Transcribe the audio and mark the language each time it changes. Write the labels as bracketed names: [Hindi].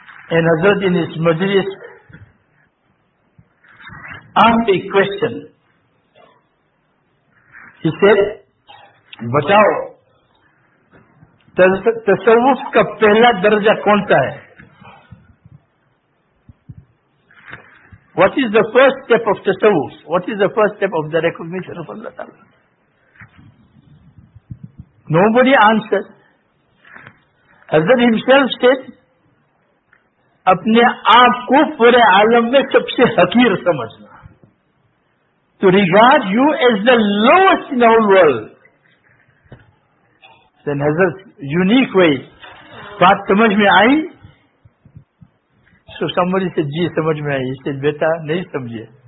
[English] And Hazrat in his majlis asked a question. He said, Batao, [Urdu] تصوف کا پہلا درجہ کون سا ہے؟ [English] What is the first step of tasawwuf? What is the first step of the recognition of Allah Ta'ala? Nobody answered. Hazrat himself said, [Urdu] اپنے آپ کو پورے عالم میں سب سے حقیر سمجھنا. [English] To regard you as the lowest in the whole world. Then Hazrat, unique way, [Urdu] بات سمجھ میں آئی؟ [English] So somebody said, [Urdu] جی سمجھ میں آئی. [English] He said, [Urdu] بیٹا نہیں سمجھے.